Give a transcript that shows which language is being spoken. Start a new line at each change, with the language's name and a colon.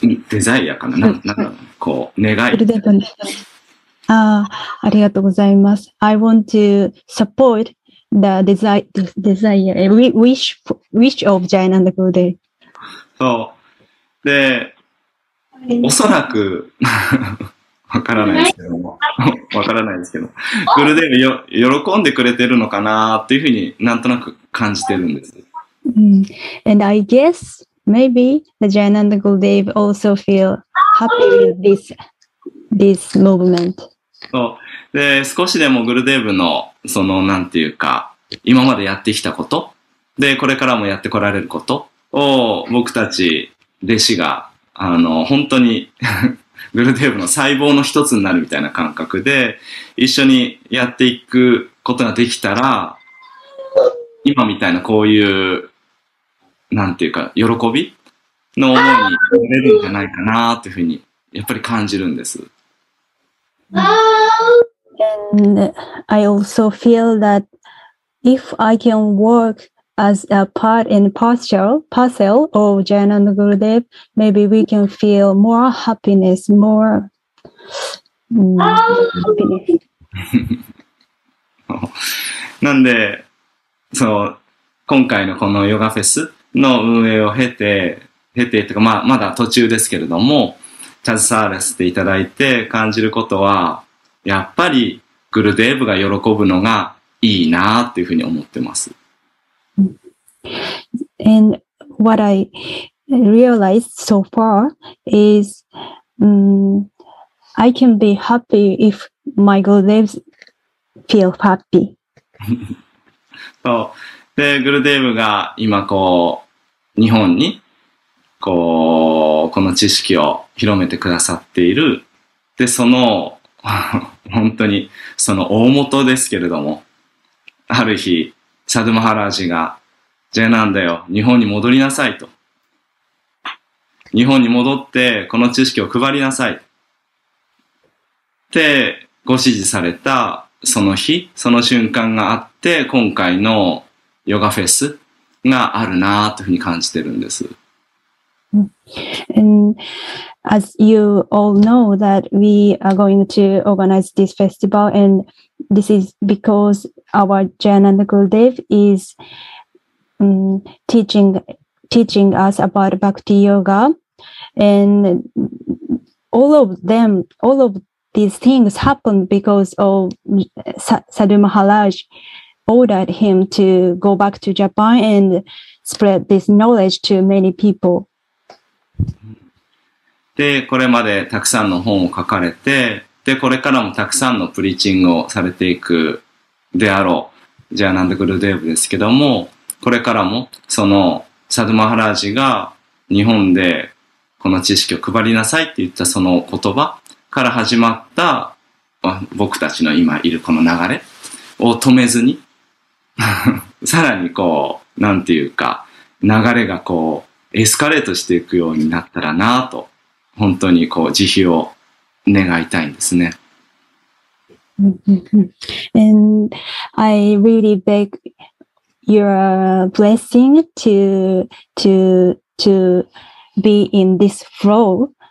Japanese: デザイアかな、なんかこう願い。ありがとうございます。
English: I want to support the desire, wish of Jayananda Gurudev.
Japanese: そう。で、おそらく、わからないですけども、わからないですけど、グルデーブ喜んでくれてるのかなっていうふうになんとなく感じてるんです。
English: And I guess maybe the Jayananda Gurudev also feel happy with this movement.
Japanese: そう。で、少しでもグルデーブのそのなんていうか、今までやってきたこと、で、これからもやってこられることを僕たち弟子が、本当にグルデーブの細胞の一つになるみたいな感覚で、一緒にやっていくことができたら、今みたいなこういう、なんていうか、喜びの思いになれるんじゃないかなっていうふうに、やっぱり感じるんです。
English: And I also feel that if I can work as a part and parcel of Jayananda Gurudev, maybe we can feel more happiness, more happiness.
Japanese: なんで、今回のこのヨガフェスの運営を経てとか、まだ途中ですけれども、携わらせていただいて感じることは、やっぱりグルデーブが喜ぶのがいいなっていうふうに思ってます。
English: And what I realized so far is, I can be happy if my Gurudev feel happy.
Japanese: そう。で、グルデーブが今こう、日本に、この知識を広めてくださっている。で、その、本当に、その大元ですけれども、ある日、サドマハラージが、ジェナンダよ、日本に戻りなさいと。日本に戻って、この知識を配りなさい。って、ご指示された、その日、その瞬間があって、今回のヨガフェスがあるなというふうに感じてるんです。
English: And as you all know that we are going to organize this festival, and this is because our Jayananda Gurudev is teaching us about Bhakti Yoga, and all of these things happened because of Sadhu Maharaj ordered him to go back to Japan and spread this knowledge to many people.
Japanese: で、これまでたくさんの本を書かれて、で、これからもたくさんのプリーチングをされていくであろう、ジャーナンダ・グルデーブですけども、これからも、その、サドマハラージが日本でこの知識を配りなさいって言ったその言葉から始まった、僕たちの今いるこの流れを止めずに、さらにこう、なんていうか、流れがこう、エスカレートしていくようになったらなぁと、本当にこう慈悲を願いたいんですね。
English: And I really beg your blessing to be in this flow.